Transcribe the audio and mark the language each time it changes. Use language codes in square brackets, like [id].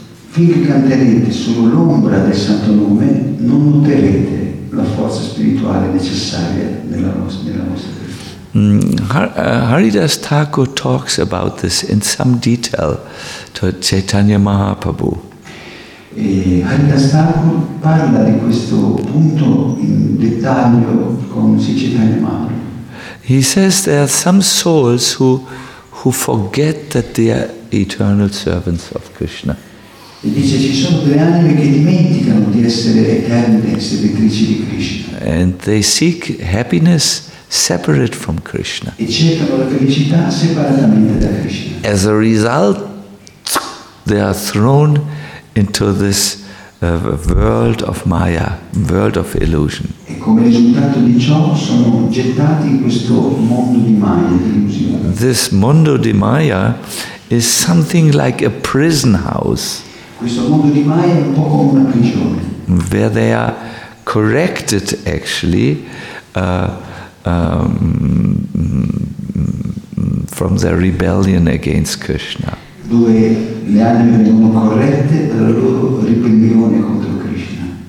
[it] Finché canterete solo l'ombra del Santo Nome, non otterrete la forza spirituale necessaria nella vostra vita. [en] Haridas Thakur talks about this in some detail to Chaitanya Mahaprabhu. [it] Haridas Thakur parla di questo punto in dettaglio con Chaitanya Mahaprabhu. [en] He says there are some souls who forget that they are eternal servants of Krishna. [it] E dice ci sono delle anime che dimenticano di essere eterne servitrici di Krishna. [en] And they seek happiness separate from Krishna. [it] E cercano la felicità separatamente da Krishna. [en] As a result, they are thrown into this world of Maya, world of illusion. [it] E come risultato di ciò sono gettati in questo mondo di Maya, di illusione. [en] This [it] mondo di Maya [en] is something like a prison house. [it] Questo mondo di Maya è un po' come una prigione. [en] Where they are corrected, actually. From their rebellion against Krishna. [it] Dove le anime vengono corrette dalla loro ribellione contro Krishna.